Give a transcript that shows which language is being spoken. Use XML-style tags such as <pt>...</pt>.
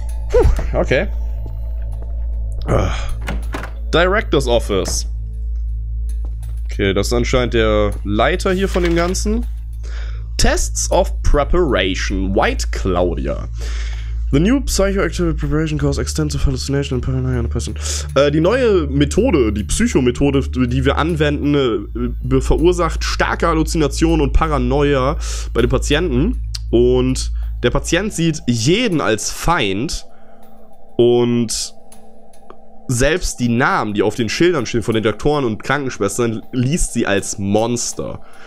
<en>Puh, okay. Director's Office.</en> <de>Okay, das ist anscheinend der Leiter hier von dem Ganzen.</de> <en>Tests of Preparation. White Claudia. The new psychoactive preparation causes extensive hallucination and paranoia in a person.</en> <de>Die neue Methode, die Psychomethode, die wir anwenden, verursacht starke Halluzinationen und Paranoia bei den Patienten. Und der Patient sieht jeden als Feind. Und selbst die Namen, die auf den Schildern stehen von den Doktoren und Krankenschwestern, liest sie als Monster.</de>